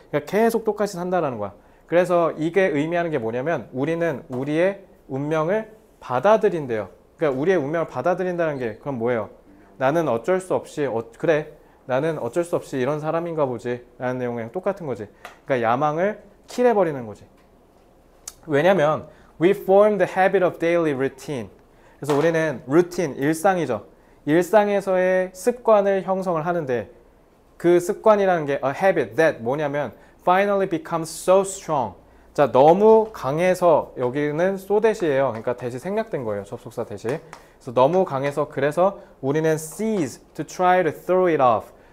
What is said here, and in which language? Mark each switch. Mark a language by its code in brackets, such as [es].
[ko] 그러니까 계속 똑같이 산다라는 거야. 그래서 이게 의미하는 게 뭐냐면 우리는 우리의 운명을 받아들인대요. 그러니까 우리의 운명을 받아들인다는 게 그럼 뭐예요? 나는 어쩔 수 없이 그래. 나는 어쩔 수 없이 이런 사람인가 보지. 라는 내용이랑 똑같은 거지. 그러니까 야망을 킬해 버리는 거지. 왜냐면 [en] we form the habit of daily routine. [ko] 그래서 우리는 루틴, 일상이죠. 일상에서의 습관을 형성을 하는데 그 습관이라는 게 [en] a habit that [ko] 뭐냐면 [en] finally becomes so strong. [ko] 자, 너무 강해서 여기는 so that이에요. 그러니까 that이 생략된 거예요. 접속사 that이. 그래서 너무 강해서 그래서 우리는 [en] cease to try to throw it off.